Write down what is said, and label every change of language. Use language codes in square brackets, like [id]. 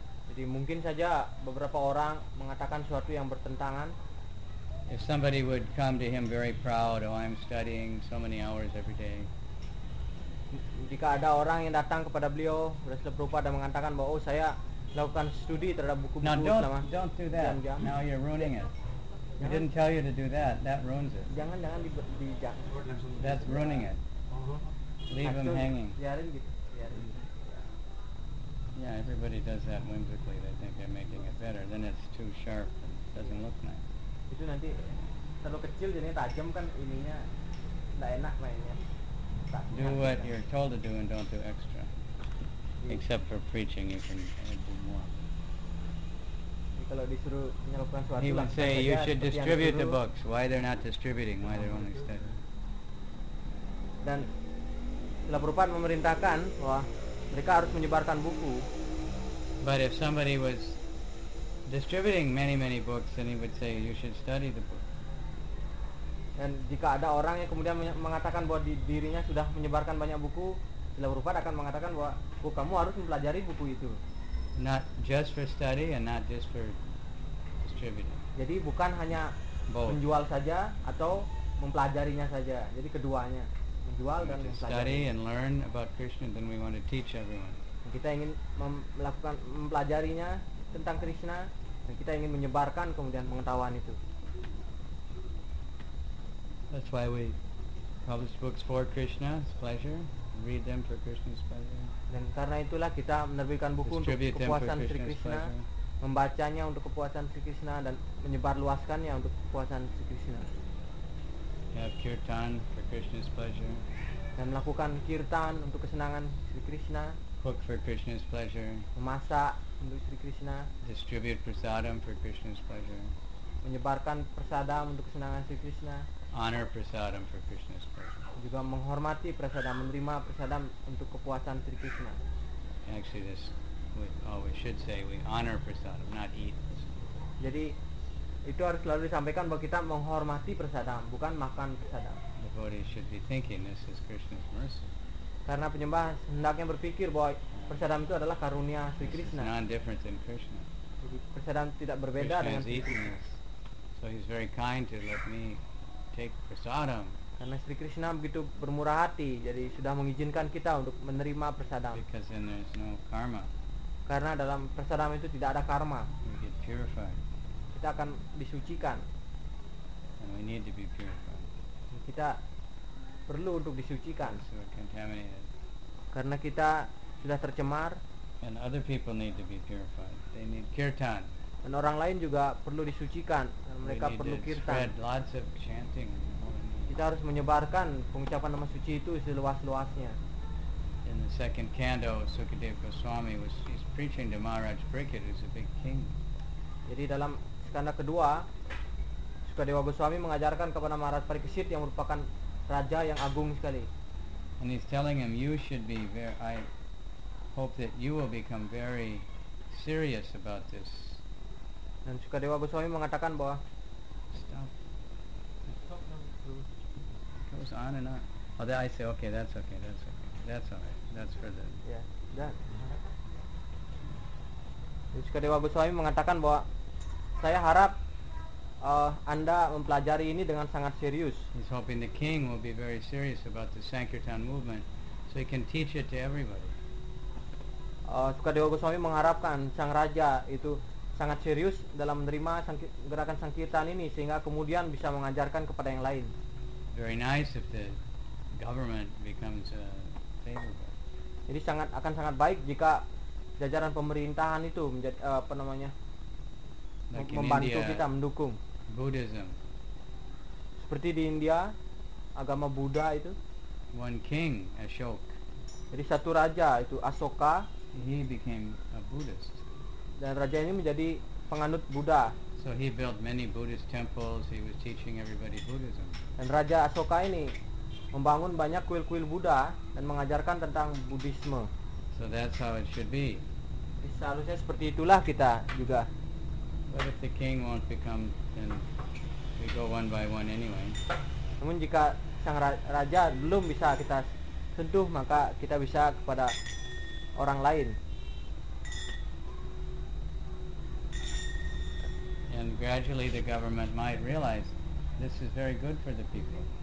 [id] Jadi mungkin saja beberapa orang mengatakan sesuatu yang bertentangan. [en] If somebody would come to him very proud, oh, I'm studying so many hours every day. [id] Jika ada orang yang datang kepada beliau, Srila Prabhupada dan mengatakan bahwa, oh, saya melakukan studi terhadap buku-buku selama [en] don't do that. [id] Jam-jam. [en] Now you're ruining it. He didn't tell you to do that. That ruins it. [id] Jangan-jangan di jam. [en] That's ruining it. Leave him hanging. [id] Biarin gitu. Biarin. [en] Yeah, everybody does that whimsically. They think they're making it better. Then it's too sharp and doesn't look nice. [id] Itu nanti terlalu kecil jadinya tajam kan ininya enggak enak mainnya. [en] Do what you're told to do and don't do extra. Yeah. Except for preaching you can do more. [id] Jadi kalau disuruh menyalurkan suatu [en] he would say you should distribute the books. Why they're not distributing? Why they're only studying? [id] Dan Srila Prabhupada memerintahkan bahwa mereka harus menyebarkan buku. [en] But if somebody was distributing many many books, and he would say you should study the book. [id] Dan jika ada orang yang kemudian mengatakan bahwa dirinya sudah menyebarkan banyak buku, Srila Prabhupada akan mengatakan bahwa oh, kamu harus mempelajari buku itu. [en] Not just for study and not just for distributing. [id] Jadi bukan hanya [en] both. [id] Menjual saja atau mempelajarinya saja. Jadi keduanya, menjual dan mempelajari. [en] Study and learn about Krishna, then we want to teach everyone. [id] Kita ingin melakukan mempelajarinya tentang Krishna dan kita ingin menyebarkan kemudian pengetahuan itu. [en] That's why we publish books for Krishna's pleasure, read them for Krishna's pleasure. [id] Dan karena itulah kita menerbitkan buku untuk kepuasan Sri Krishna, membacanya untuk kepuasan Sri Krishna dan menyebarluaskannya untuk kepuasan Sri Krishna. [en] Have kirtan for Krishna's pleasure. [id] Dan melakukan kirtan untuk kesenangan Sri Krishna. [en] Cook for Krishna's pleasure. [id] Memasak untuk Sri Krishna. [en] Distribute prasadam for Krishna's pleasure. [id] Menyebarkan prasadam untuk kesenangan Sri Krishna. [en] Honor prasadam for Krishna's pleasure. [id] Juga menghormati prasadam, menerima prasadam untuk kepuasan Sri Krishna. [en] Actually, this we always should say we honor prasadam, not eat. [id] Jadi itu harus selalu disampaikan bahwa kita menghormati prasadam, bukan makan prasadam. [en] Devotees should be thinking this is Krishna's mercy. [id] Karena penyembah hendaknya berpikir bahwa prasadam itu adalah karunia Sri Krishna. [en] It's non-different than Krishna. [id] Jadi prasadam tidak berbeda [en] Krishna's [id] dengan Krishna. [en] Eating this, so he's very kind to let me take prasadam. [id] Karena Sri Krishna begitu bermurah hati, jadi sudah mengizinkan kita untuk menerima prasadam. [en] Because then there's no karma. [id] Karena dalam prasadam itu tidak ada karma. [en] We get purified. [id] Kita akan disucikan. [en] And we need to be purified. [id] Kita perlu untuk disucikan. [en] Contaminated. [id] Karena kita sudah tercemar. [en] And other people need to be purified. They need kirtan. [id] Dan orang lain juga perlu disucikan. Dan mereka perlu kirtan. [en] Spread lots of chanting. [id] Kita harus menyebarkan pengucapan nama suci itu seluas-luasnya. [en] In the second canto, Sukadeva Goswami was preaching to Maharaj Brihadi, who's a big king. [id] Jadi dalam skanda kedua, Sukadeva Goswami mengajarkan kepada Maharaj Parikesit yang merupakan raja yang agung sekali. [en] And he's telling him, you should be very, I hope that you will become very serious about this. [id] Dan Sukadeva Goswami mengatakan bahwa [en] stop. It goes on and on. Oh, that I say, okay, that's okay. That's all right. That's for the yeah, done. [id] Sukadewa Goswami mengatakan bahwa saya harap Anda mempelajari ini dengan sangat serius. [en] He's hoping the king will be very serious about the Sankirtan movement so he can teach it to everybody. [id] Sukadewa Goswami mengharapkan sang raja itu sangat serius dalam menerima gerakan Sankirtan ini sehingga kemudian bisa mengajarkan kepada yang lain. [en] Very nice if the government becomes favorable. [id] Jadi akan sangat baik jika jajaran pemerintahan itu menjadi apa namanya [en] like [id] membantu [en] in India, [id] kita mendukung [en] Buddhism. [id] Seperti di India agama Buddha itu. [en] One king, Ashoka. [id] Jadi satu raja itu Ashoka. [en] He became a Buddhist. [id] Dan raja ini menjadi penganut Buddha. [en] So he built many Buddhist temples. He was teaching everybody Buddhism. [id] Dan raja Ashoka ini membangun banyak kuil-kuil Buddha dan mengajarkan tentang Buddhisme. [en] So that's how it should be. [id] Seharusnya seperti itulah kita juga. [en] But if the king won't become, then we go one by one anyway. [id] Namun jika sang raja belum bisa kita sentuh, maka kita bisa kepada orang lain. [en] And gradually the government might realize this is very good for the people.